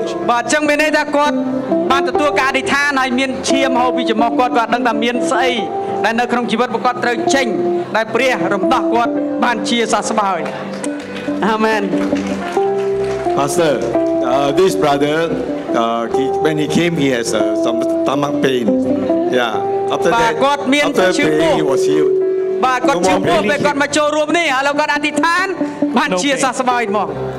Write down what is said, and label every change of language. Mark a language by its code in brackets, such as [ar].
[km] បាទអញ្ចឹងមានន័យថាគាត់បានទទួលការអធិដ្ឋានហើយមានឈាមហូរពីច្រមុះគាត់គាត់ដឹងថាមានស្អីដែលនៅក្នុងជីវិតរបស់គាត់ត្រូវចេញដែលព្រះរំដោះគាត់បានជាសះស្បើយអាមែន [en] Pastor this brother when he came he has some stomach pain yeah after that [km] គាត់មានឈឺពោះបាទគាត់ឈឺពោះពេលគាត់មកចូលរួមនេះឥឡូវគាត់អធិដ្ឋានបានជាសះស្បើយមក